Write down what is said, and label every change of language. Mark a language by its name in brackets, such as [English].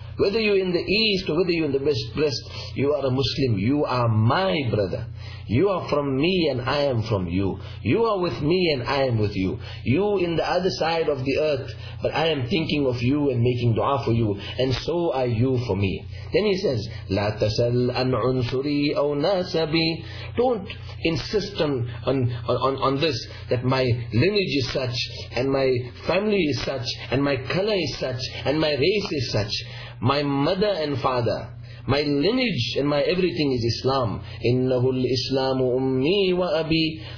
[English] Whether you're in the east or whether you're in the west, you are a Muslim. You are my brother. You are from me and I am from you. You are with me and I am with you. You in the other side of the earth, but I am thinking of you and making dua for you, and so are you for me. Then he says, [Arabic] لَا تَسَلْ أَنْ عُنْصُرِي أَوْ نَاسَبِي. [English] Don't insist on this, that my lineage is such, and my family is such, and my color is such, and my race is such. My mother and father, my lineage and my everything is Islam. [Arabic] إِنَّهُ الْإِسْلَامُ أُمِّي وَأَبِي.